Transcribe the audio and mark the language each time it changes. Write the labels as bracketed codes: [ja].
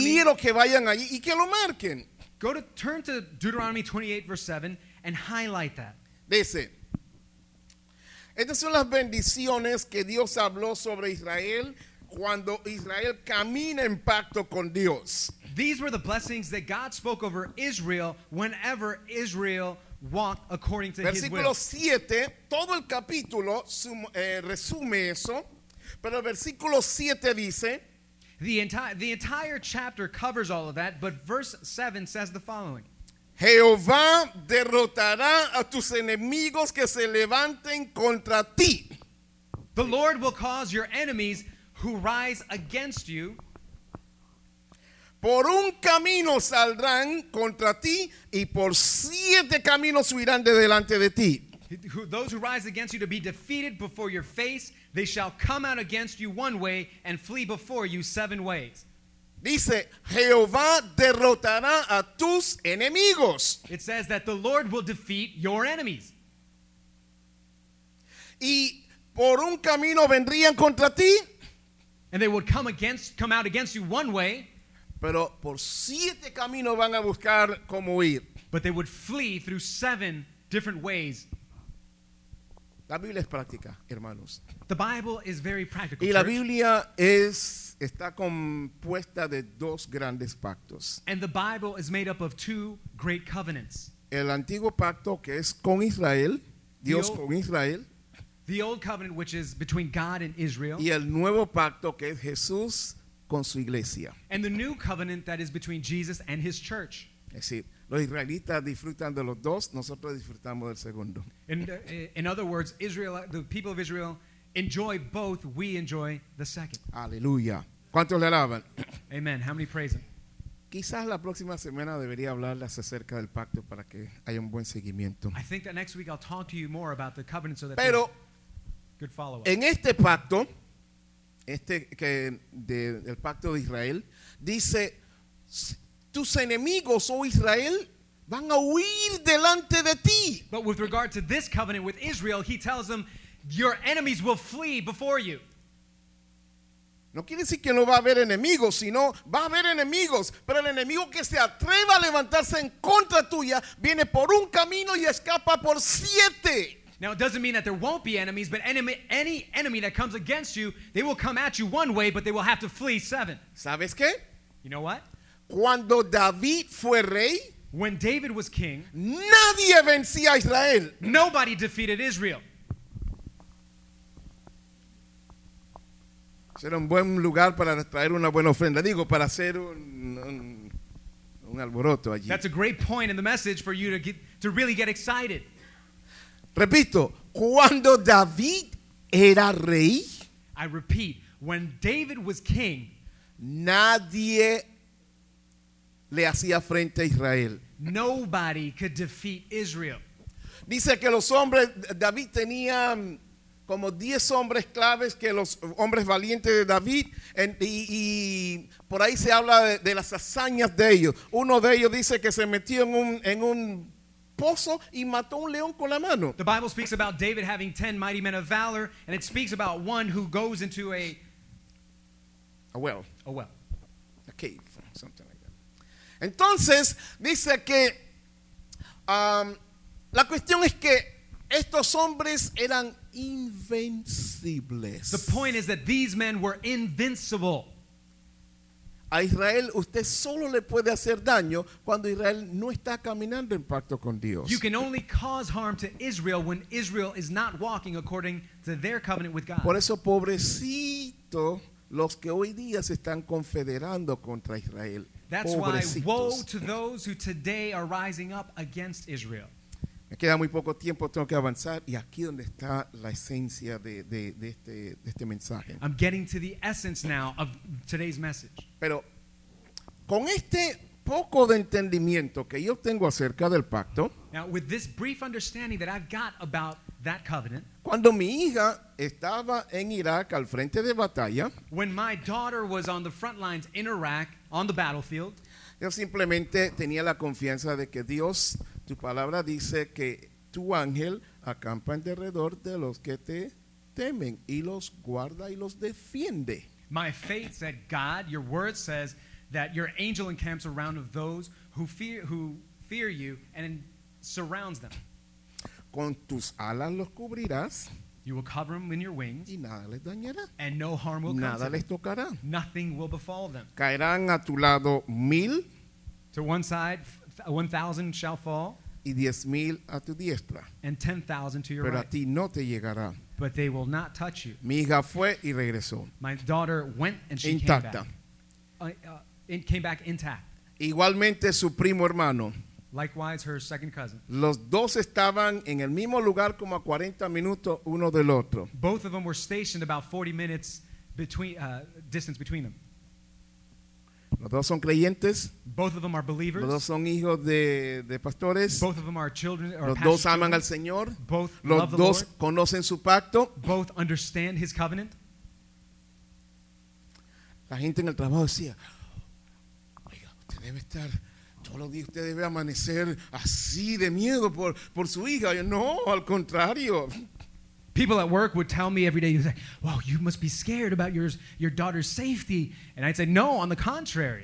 [es] Quiero que vayan ahí y que lo marquen. [en] Go to turn to Deuteronomy 28, verse 7, and highlight that. [es] Dice. Estas son las bendiciones que Dios habló sobre Israel cuando Israel camina en pacto con Dios. [en] These were the blessings that God spoke over Israel whenever Israel walked according to [es] versículo [en] his will. [es] Versículo 7, todo el capítulo resume eso, pero el versículo 7 dice, [en] The entire chapter covers all of that, but verse 7 says the following. [es] Jehová derrotará a tus enemigos que se levanten contra ti. [en] The Lord will cause your enemies who rise against you. [es] Por un camino saldrán contra ti y por siete caminos huirán de delante de ti. [en] Those who rise against you to be defeated before your face, they shall come out against you one way and flee before you seven ways. [es] Dice, Jehová derrotará a tus enemigos. [en] It says that the Lord will defeat your enemies. [es] Y por un camino vendrían contra ti. [en] And they would come out against you one way. [es] Pero por siete caminos van a buscar cómo huir. [en] But they would flee through seven different ways. [es] La Biblia es práctica, hermanos. [en] The Bible is very practical, [es] y la Biblia es... Está compuesta de dos grandes pactos. [en] And the Bible is made up of two great covenants. [es] El antiguo pacto que es con Israel, Dios con Israel. [en] The old covenant which is between God and Israel. [es] Y el nuevo pacto que es Jesús con su iglesia. [en] And the new covenant that is between Jesus and his church. [es] Es decir, los israelitas disfrutan de los dos, nosotros disfrutamos del segundo. [en] In other words, Israel, the people of Israel enjoy both, we enjoy the second. [es] Aleluya. ¿Cuántos le alaban? [en] Amen. How many praise him? [es] Quizás la próxima semana debería hablarles acerca del pacto para que haya un buen seguimiento. [en] I think that next week I'll talk to you more about the covenant so that [es] pero [en] good follow up. [es] En este pacto, este que del pacto de Israel, dice, tus enemigos, oh Israel, van a huir delante de ti. [en] But with regard to this covenant with Israel, he tells them, your enemies will flee before you. [es] No quiere decir que no va a haber enemigos, sino va a haber enemigos, pero el enemigo que se atreva a levantarse en contra tuya viene por un camino y escapa por siete. [en] Now it doesn't mean that there won't be enemies, but any enemy that comes against you, they will come at you one way, but they will have to flee seven. [es] ¿Sabes qué? [en] You know what? [es] Cuando David fue rey, [en] when David was king, [es] nadie vencía a Israel. [en] Nobody defeated Israel. [es] Era un buen lugar para traer una buena ofrenda. Digo, para hacer un alboroto allí. [en] That's a great point in the message for you to really get excited. [es] Repito, cuando David era rey, [en] I repeat, when David was king, [es] nadie le hacía frente a Israel. [en] Nobody could defeat Israel. [es] Dice que los hombres, David tenía como 10 hombres claves, que los hombres valientes de David, y por ahí se habla de las hazañas de ellos. Uno de ellos dice que se metió en un pozo y mató un león con la mano. [en] The Bible speaks about David having 10 mighty men of valor, and it speaks about one who goes into a well. A cave, something like that. [es] Entonces, dice que la cuestión es que estos hombres eran invencibles. [en] The point is that these men were invincible. [es] A Israel usted solo le puede hacer daño cuando Israel no está caminando en pacto con Dios. [en] You can only cause harm to Israel when Israel is not walking according to their covenant with God. [es] Por eso, pobrecito, los que hoy día se están confederando contra Israel. [en] That's [es] pobrecitos. [en] Why woe to those who today are rising up against Israel. [es] Me queda muy poco tiempo, tengo que avanzar, y aquí donde está la esencia de este mensaje. [en] I'm getting to the essence now of today's message. [es] Pero con este poco de entendimiento que yo tengo acerca del pacto, [en] now, with this brief understanding that I've got about that covenant, [es] cuando mi hija estaba en Irak al frente de batalla, [en] when my daughter was on the front lines in Iraq on the battlefield, [es] yo simplemente tenía la confianza de que Dios, tu palabra dice que tu ángel acampa en derredor de los que te temen y los guarda y los defiende. [en] My faith said, God, your word says that your angel encamps around of those who fear you and surrounds them. [es] Con tus alas los cubrirás. [en] You will cover them in your wings. [es] Y nada les dañará. [en] And no harm will [es] nada [en] come [es] nada les [en] to them. [es] Tocará. [en] Nothing will befall them. [es] Caerán a tu lado mil. [en] To one side, 1,000 shall fall. [es] Y 10,000 a tu diestra. [en] And 10,000 to your [es] pero [en] right. [es] Pero a ti no te llegará. [en] But they will not touch you. [es] Mi hija fue y regresó. [en] My daughter went and she [es] intacta. [en] came back intact. [es] Igualmente su primo hermano. [en] Likewise, her second cousin. [es] Los dos estaban en el mismo lugar como a 40 minutos uno del otro. [en] Both of them were stationed about 40 minutes distance between them. [es] Los dos son creyentes. [en] Both of them are believers. [es] Los dos son hijos de pastores. [en] Both of them are children. Or [es] los dos aman [en] children. [es] Al Señor. [en] Both [es] los [en] love [es] dos [en] the Lord. [es] Conocen su pacto. [en] Both understand his covenant. [es] La gente en el trabajo decía, oiga, usted debe estar, todos los días usted debe amanecer así de miedo por su hija. Yo, no, al contrario. [en] People at work would tell me every day, you'd say, well, you must be scared about your daughter's safety. And I'd say, no, on the contrary.